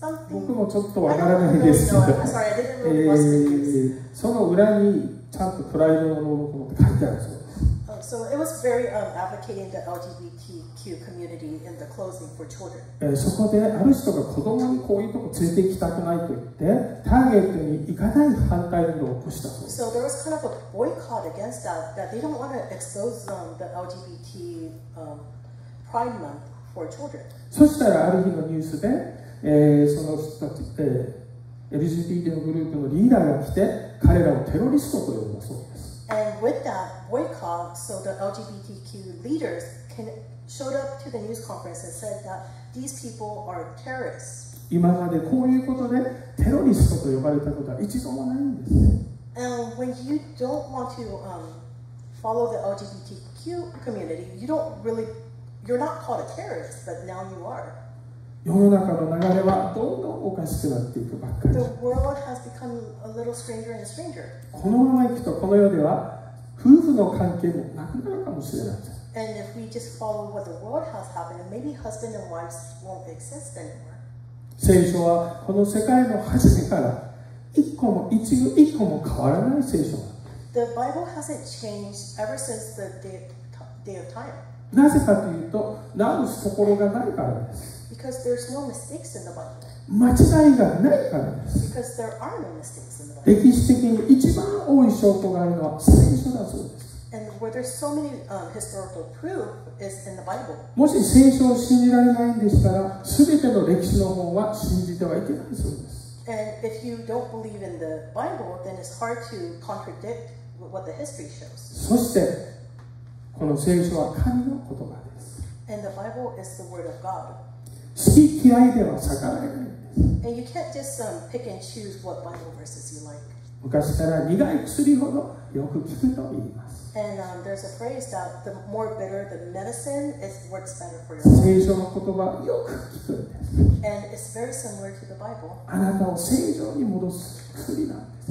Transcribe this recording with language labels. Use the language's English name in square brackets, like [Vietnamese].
[Japanese] 僕もちょっとわからないですけど、 [English] really、 [Japanese] その裏にちちゃんとプライドの牢獄もって書いてあるんですよ。 [English] So it was very advocating the LGBTQ community in the clothing for children. [Japanese] そこである人が子供にこういうとこついていきたくないと言ってターゲットに行かない反対運動を起こしたと。 [English] So there was kind of a boycott against that, that they don't want to expose the LGBT Pride Month for children. [Japanese] そしたらある日のニュースで、その人たち、LGBT のグループのリーダーが来て彼らをテロリストと呼んだそうです。 [English] And with that boycott, so the LGBTQ leaders showed up to the news conference and said that these people are terrorists. [Japanese] 今までこういうことでテロリストと呼ばれたことは一度もないんです。 [English] And when you don't want to follow the LGBTQ community, you don't really, you're not called a terrorist, but now you are. [Japanese] 世の中の流れはどんどんおかしくなっていくばっかり。 [English] The world has become a little stranger and stranger. [Japanese] このままいくとこの世では夫婦の関係もなくなるかもしれない。 [English] And if we just follow what the world has happened, maybe husband and wives won't exist anymore. [Japanese] 聖書はこの世界の初めから一個も一部一個も変わらない聖書。 [English] The Bible hasn't changed ever since the day of time. [Japanese] なぜかというと直すところがないからです。 [English] Because there's no mistakes in the Bible. [Japanese] 間違いがないからです。 [English] Because there are no mistakes in the Bible. [Japanese] 歴史的に一番多い証拠があるのは聖書だそうです。 [English] And where there's so many historical proof is in the Bible. [Japanese] もし聖書を信じられないんでしたら、すべての歴史の本は信じてはいけないそうです。 [English] And if you don't believe in the Bible, then it's hard to contradict what the history shows. [Japanese] そしてこの聖書は神の言葉です。 [English] And the Bible is the word of God. [Japanese] 好き嫌いでは逆らえない。 [English] And you can't just pick and choose what Bible verses you like. [Japanese] 昔から苦い薬ほどよく効くと言います。 [English] And there's a phrase that the more bitter the medicine, it works better for you. [Japanese] 聖書の言葉よく効くんです。 [English] And it's very similar to the Bible. [Japanese] あなたを正常に戻す薬なんです。